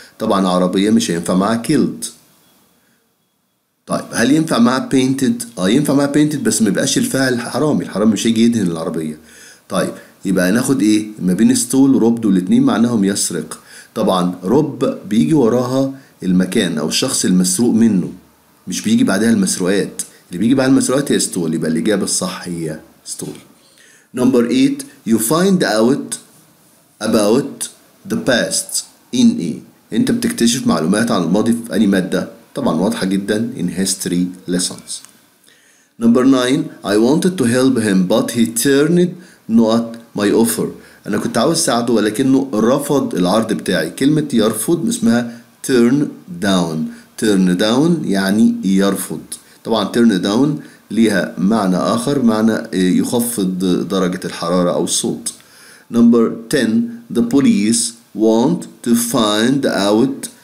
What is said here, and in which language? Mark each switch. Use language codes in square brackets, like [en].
[ar] طبعا عربية مش هينفع معها killed. طيب هل ينفع معها painted؟ اه ينفع معها painted، بس ما يبقاش الفاعل حرامي، الحرامي مش هيجي يدهن العربية. طيب يبقى ناخد ايه؟ ما بين ستول وروبد والاتنين معناهم يسرق. طبعا روب بيجي وراها المكان او الشخص المسروق منه، مش بيجي بعدها المسروقات، اللي بيجي بعد المسروقات هي ستول، يبقى الاجابة الصح هي ستول. [en] Number 8, you find out about the past in A. [ar] انت بتكتشف معلومات عن الماضي في اي مادة؟ طبعا واضحة جدا [en] in history lessons. Number 9, I wanted to help him but he turned not my offer. [ar] انا كنت عاوز ساعده ولكنه رفض العرض بتاعي. كلمة يرفض اسمها turn down. turn down يعني يرفض. طبعا turn down ليها معنى اخر، معنى يخفض درجة الحرارة او الصوت. [en] Number 10, the police want to find out.